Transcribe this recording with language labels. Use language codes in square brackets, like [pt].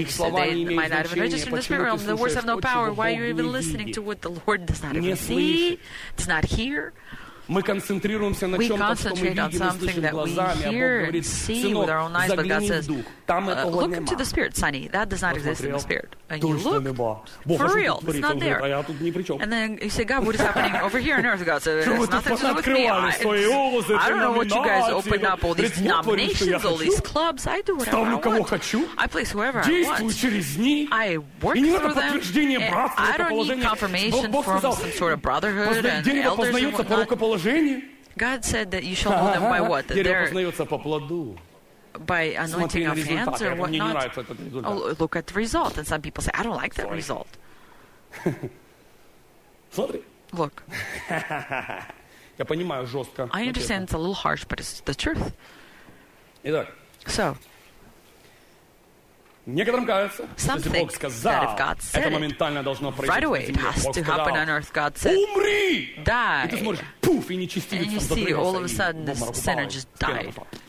[ru] Их слова не имеют значения. Почему ты слушаешь то, чего Бог не видит? [en] Have no power. Why are you even listening to what the Lord does not even see? It's not here. [ru] Мы концентрируемся на чем-то, что мы видим и слышим глазами, а Бог говорит, сынок, загляни в дух, там этого нема. [en] Look into the spirit, sonny, that does not exist in the spirit. And you look, for real, it's not there. [ru] А тут ни при чем. [en] And then you say, God, what is happening over here on earth? God says, it's nothing to do with me. I don't know what you guys open up, all these denominations, all these clubs, I do whatever I want. I place whoever I want. I work through them, and I don't need confirmation from some sort of brotherhood and elders and whatnot. God said that you shall know them by what? That [ru] дерево познается по плоду. [en] By anointing of hands or what not? [ru] Мне не нравится этот результат. [en] Oh, look at the result. And some people say, I don't like that result. [ru] Смотри. [en] Look. [ru] Я понимаю жестко. [en] I understand it's a little harsh, but it's the truth. [ru] Итак. [en] So. [ru] Некоторым кажется, что если Бог сказал, это моментально должно произойти на земле. Бог сказал, [en] on earth, God said, [ru] умри! [en] Die. [ru] И ты смотришь, пуф, и нечистивица запрыгался, и бомбар.